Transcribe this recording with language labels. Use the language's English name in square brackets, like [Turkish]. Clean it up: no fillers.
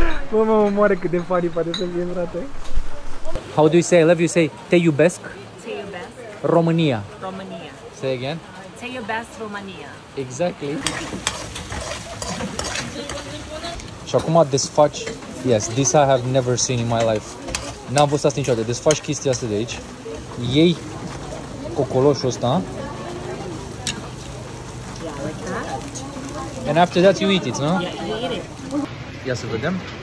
[Romanian] Bă, mă moare cât de funny poate să fie, frate. [English] How do you say I love you? Say [Romanian] te iubesc? Te iubesc. România. România. [English] Say again. [Romanian] Te iubesc, România. [English] Exactly. [Romanian] Și acum desfaci. [English] Yes, this I have never seen in my life. [Romanian] N-am văzut asta niciodată. Desfaci chestia asta de aici. Iei cocoloșul ăsta. [English] And after that you eat it, no? Yeah, eat it. [Romanian] Ia să vedem.